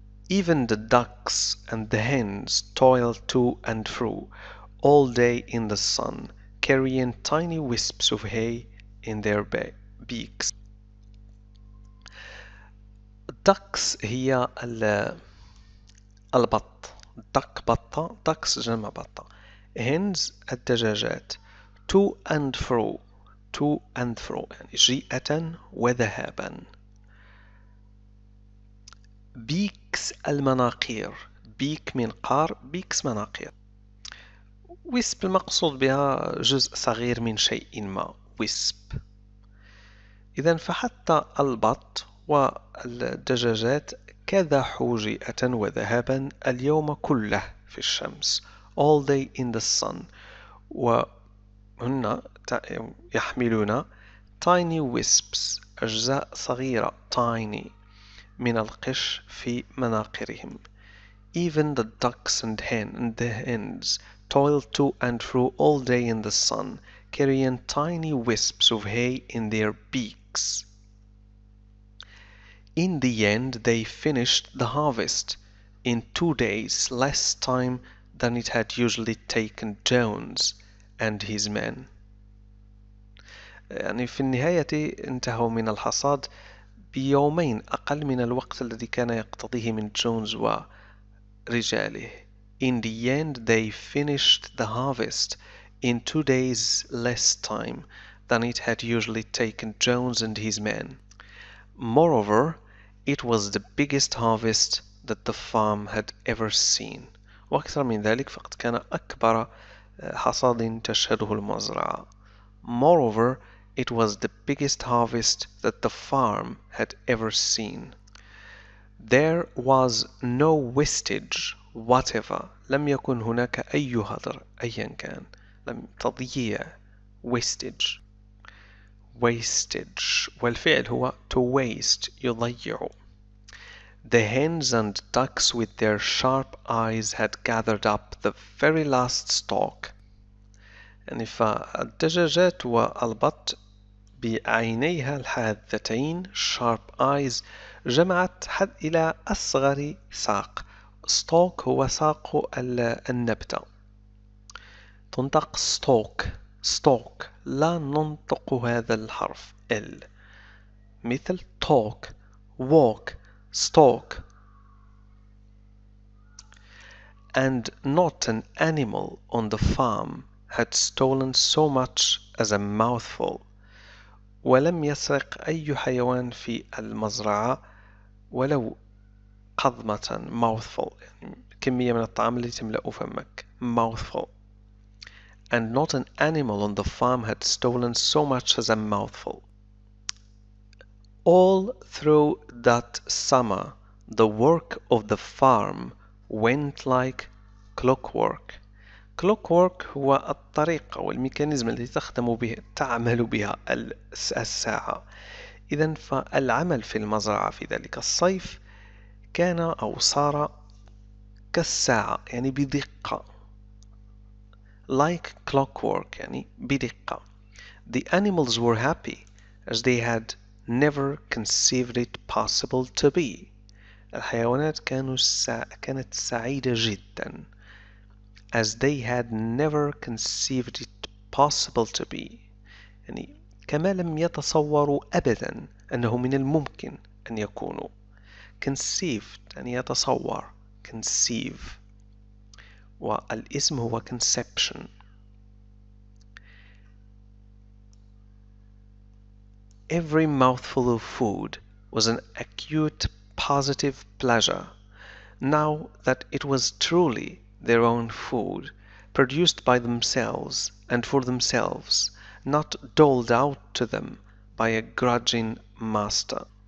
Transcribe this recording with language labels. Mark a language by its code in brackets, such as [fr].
[en] Even the ducks and the hens toil to and fro all day in the sun carrying tiny wisps of hay in their beaks. [ar] Ducks هي البط. Duck بطة. Ducks جمع بطة. Hens الدجاجات. [en] To and fro. To and fro [ar] يعني جيئة وذهابا. Beaks المناقير. Beak منقار. Beaks مناقير. Wisp المقصود بها جزء صغير من شيء ما. [en] Wisp. [ar] إذن فحتى البط والدجاجات كذا حوجئة وذهبا اليوم كله في الشمس. [en] All day in the sun. [ar] وهن يحملون [en] tiny wisps [ar] أجزاء صغيرة tiny من القش في مناقرهم. [en] Even the ducks and hen and the hens toil to and fro all day in the sun carrying tiny wisps of hay in their beaks. In the end, they finished the harvest in 2 days, less time than it had usually taken Jones and his men. [ar] يعني في النهاية انتهوا من الحصاد بيومين أقل من الوقت الذي كان يقتضيه من جونز ورجاله. [en] In the end, they finished the harvest in 2 days, less time than it had usually taken Jones and his men. Moreover, it was the biggest harvest that the farm had ever seen. [ar] وأكثر من ذلك فقد كان أكبر حصاد تشهده المزرعة. [en] Moreover, it was the biggest harvest that the farm had ever seen. There was no wastage whatever. [ar] لم يكن هناك أي هدر أيا كان. تضييع wastage wastage، والفعل هو to waste يضيع. [en] The hens and ducks with their sharp eyes had gathered up the very last stalk. [ar] يعني فالدجاجات والبط بعينيها الحادتين [en] sharp eyes [ar] جمعت حد إلى أصغر ساق. stalk هو ساق النبتة، تنطق stalk stalk، لا ننطق هذا الحرف L، مثل talk walk stalk. [en] and not an animal on the farm had stolen so much as a mouthful. [ar] ولم يسرق أي حيوان في المزرعة ولو قضمة mouthful، كمية من الطعام التي تملأ فمك mouthful. [en] and not an animal on the farm had stolen so much as a mouthful. all through that summer the work of the farm went like clockwork. [ar] clockwork هو الطريقة والميكانيزم التي تخدم به تعمل بها الساعة. إذا فالعمل في المزرعة في ذلك الصيف كان أو صار كالساعة، يعني بدقة. [en] Like clockwork [ar] يعني بدقة. [en] The animals were happy as they had never conceived it possible to be. [ar] الحيوانات كانت سعيدة جدا. [en] As they had never conceived it possible to be. [ar] يعني كما لم يتصوروا أبدا أنه من الممكن أن يكونوا. conceived يعني يتصور conceive، والاسم هو conception. [en] every mouthful of food was an acute positive pleasure now that it was truly their own food produced by themselves and for themselves not doled out to them by a grudging master.